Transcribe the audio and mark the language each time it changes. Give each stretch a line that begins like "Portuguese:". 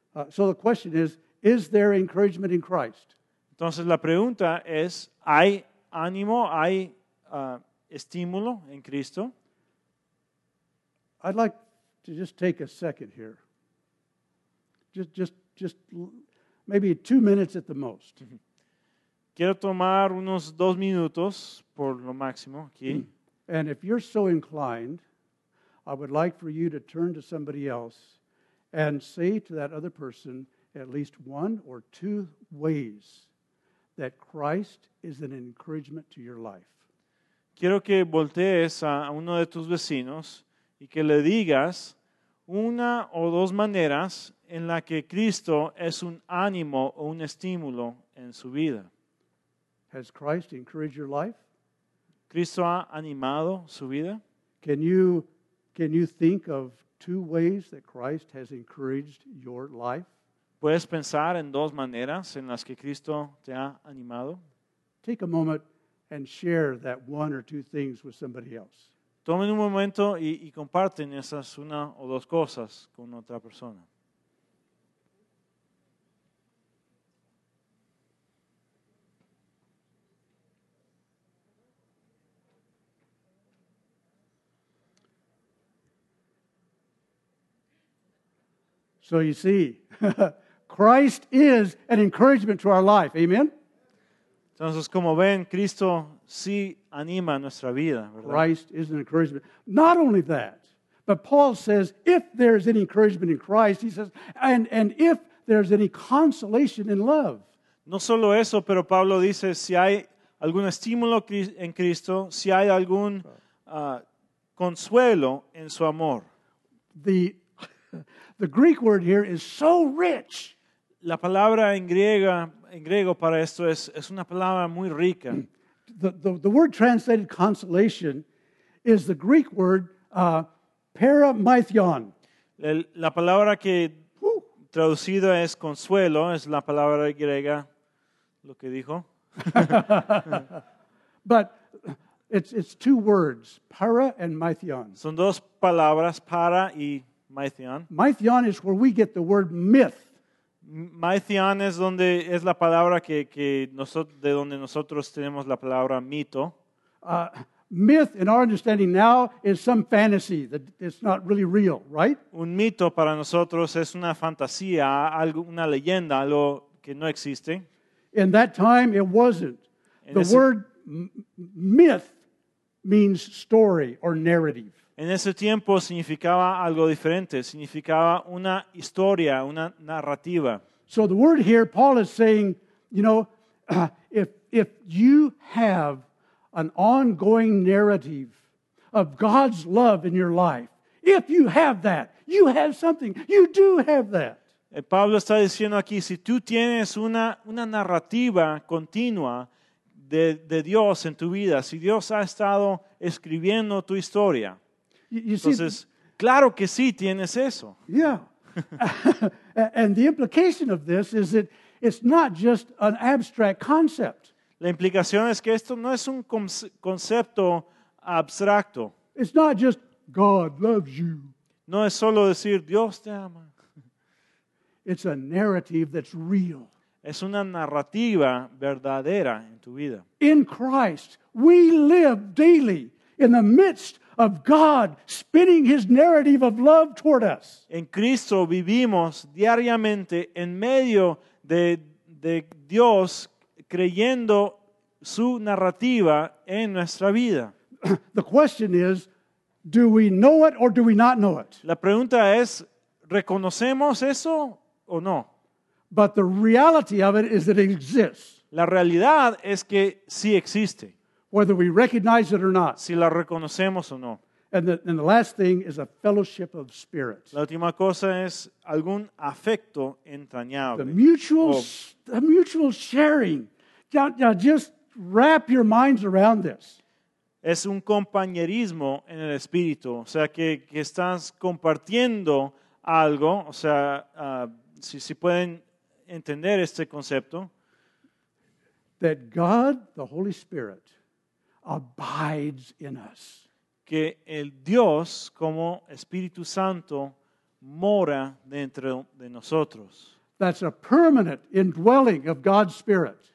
English: So the question is there encouragement in Christ?
Spanish: Entonces la pregunta es, ¿hay ánimo, hay estímulo en Cristo?
English: I'd like to just take a second here. Just maybe 2 minutes at the most.
Spanish: Quiero tomar unos 2 minutos por lo máximo aquí.
English: And if you're so inclined, I would like for you to turn to somebody else and say to that other person at least one or two ways that Christ is an encouragement to your life.
Spanish: Quiero que voltees a uno de tus vecinos y que le digas una o dos maneras en la que Cristo es un ánimo o un estímulo en su vida.
English: Has Christ encouraged your life?
Spanish: ¿Cristo ha animado su vida?
English: Can you think of two ways that Christ has encouraged your life?
Spanish: ¿Puedes pensar en dos maneras en las que Cristo te ha animado?
English: Take a moment and share that one or two things with somebody else.
Spanish: Tomen un momento y comparten esas una o dos cosas con otra persona.
English: So you see, Christ is an encouragement to our life. Amen?
Spanish: Entonces, como ven, Cristo sí anima nuestra vida, ¿verdad?
English: Christ is an encouragement. Not only that, but Paul says, if there is any encouragement in Christ, he says, and if there is any consolation in love.
Spanish: No solo eso, pero Pablo dice, si hay algún estímulo en Cristo, si hay algún consuelo en su amor.
English: The Greek word here is so rich.
Spanish: La palabra en griego para esto es una palabra muy rica.
English: The word translated consolation is the Greek word paramythion.
Spanish: La palabra que traducida es consuelo es la palabra griega lo que dijo.
English: But it's two words, para and mythion.
Spanish: Son dos palabras, para y mythion.
English: Mythion is where we get the word myth.
Spanish: Mythion es donde es la palabra que nosotros de donde nosotros tenemos la palabra mito.
English: Myth in our understanding now is some fantasy that it's not really real, right?
Spanish: Un mito para nosotros es una fantasía, algo, una leyenda, algo que no existe.
English: In that time it wasn't. The word myth means story or narrative.
Spanish: En ese tiempo significaba algo diferente, significaba una historia, una narrativa.
English: So the word here, Paul is saying, you know, if you have an ongoing narrative of God's love in your life, if you have that, you have something, you do have that.
Spanish: Pablo está diciendo aquí, si tú tienes una narrativa continua de Dios en tu vida, si Dios ha estado escribiendo tu historia,
English: you see,
Spanish: entonces, claro que sí, tienes eso.
English: Yeah. And the implication of this is that it's not just an abstract concept.
Spanish: La implicación es que esto no es un concepto abstracto.
English: It's not just God loves you.
Spanish: No es solo decir Dios te ama.
English: It's a narrative that's real.
Spanish: Es una narrativa verdadera en tu vida.
English: In Christ, we live daily in the midst of God spinning his narrative of love toward us.
Spanish: En Cristo vivimos diariamente en medio de Dios creyendo su narrativa en nuestra vida.
English: The question is, do we know it or do we not know it?
Spanish: La pregunta es, ¿reconocemos eso o no?
English: But the reality of it is that it exists.
Spanish: La realidad es que sí existe.
English: Whether we recognize it or not.
Spanish: Si la reconocemos o no.
English: And the last thing is a fellowship of spirit.
Spanish: La última cosa es algún afecto entrañable.
English: The mutual sharing. Now just wrap your minds around this.
Spanish: Es un compañerismo en el espíritu. O sea, que estás compartiendo algo. O sea, si pueden entender este concepto.
English: That God, the Holy Spirit, abides in us.
Spanish: Que el Dios como Espíritu Santo mora dentro de nosotros.
English: That's a permanent indwelling of God's Spirit.